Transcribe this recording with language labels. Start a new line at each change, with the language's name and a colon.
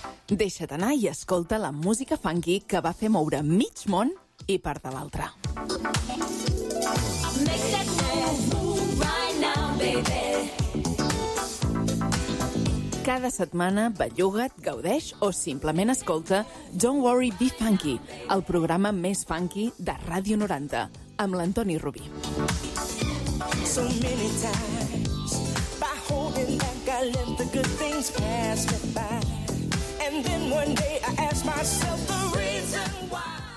Catalan: Deixa't anar i escolta la música funky que va fer moure mig món i part de l'altra.
English: Make that move right now, baby.
Catalan: Cada setmana, belluga't, gaudeix o simplement escolta Don't Worry, Be Funky, el programa més funky de Ràdio 90, amb l'Antoni Rubí.
English: So many times, by holding back, I let the good things pass me by. And then one day I ask myself the reason why.